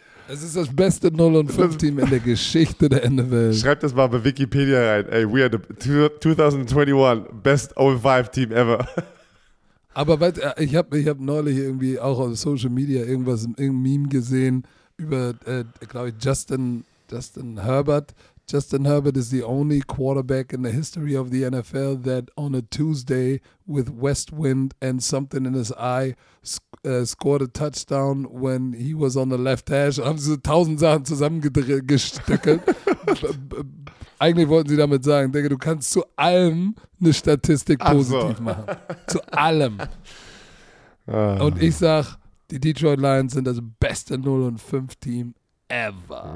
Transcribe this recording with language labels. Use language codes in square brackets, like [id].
[de] Es ist das beste 0-5-Team in der Geschichte der NFL. Schreibt das mal bei Wikipedia rein. [en] Ey, we are the 2021 best 0-5-Team ever. [de] Aber ich hab neulich irgendwie auch auf Social Media irgendein Meme gesehen über, glaube ich, Justin Herbert. [en] Justin Herbert is the only quarterback in the history of the NFL that on a Tuesday with west wind and something in his eye scored a touchdown when he was on the left hash. [de] Haben sie so 1000 Sachen zusammengestückelt. Eigentlich wollten sie damit sagen, denke, du kannst zu allem eine Statistik positiv machen. Zu allem. Und ich sag, die Detroit Lions sind das beste 0-5-Team ever.